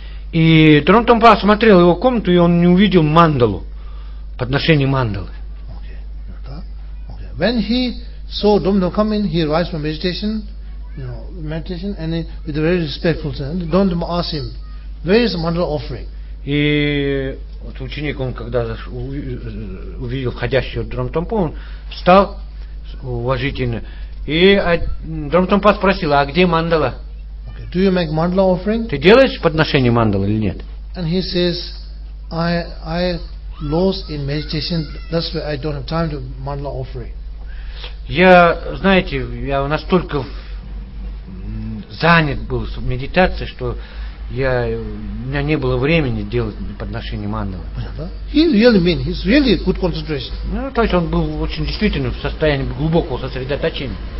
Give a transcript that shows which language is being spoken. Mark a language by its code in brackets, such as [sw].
[ru] И Дром Тенпа осмотрел его комнату, и он не увидел мандалу, подношение мандалы. [en] Okay. When he saw Dom Tenpa come in, he arrived from meditation, and he, with a very respectful tone, Dom Tenpa asked him. Where is the mandala offering? [ru] И вот ученик, он когда увидел входящего Дром Тенпа, он встал уважительно. И Дром Тенпа спросил, а где мандала? [en] Okay. Do you make mandala offering? [ru] Ты делаешь подношение мандалы или нет? [en] And he says, I lost in meditation, that's why I don't have time to mandala offering. [ru] Я, знаете, я настолько занят был в медитации, что у меня не было времени делать подношение мандалы. [en] He really mean, he's really good concentration. [ru] Ну, то есть он был очень действительно в состоянии глубокого сосредоточения.